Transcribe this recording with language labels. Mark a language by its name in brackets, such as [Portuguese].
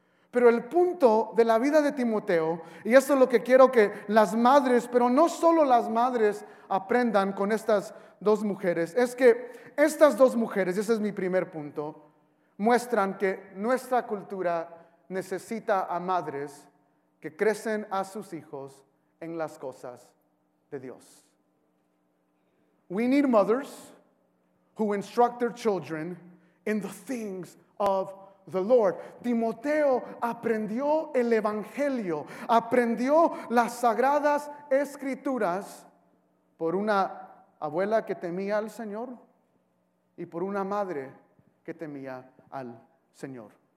[Spanish] Pero el punto de la vida de Timoteo, y eso es lo que quiero que las madres, pero no solo las madres, aprendan con estas dos mujeres, es que estas dos mujeres, y ese es mi primer punto, muestran que nuestra cultura necesita a madres que crecen a sus hijos en las cosas de Dios. [English] We need mothers who instruct their children in the things of the Lord. [Spanish] Timoteo aprendió el Evangelio, aprendió las sagradas escrituras por una abuela que temía al Señor y por una madre que temía al Señor.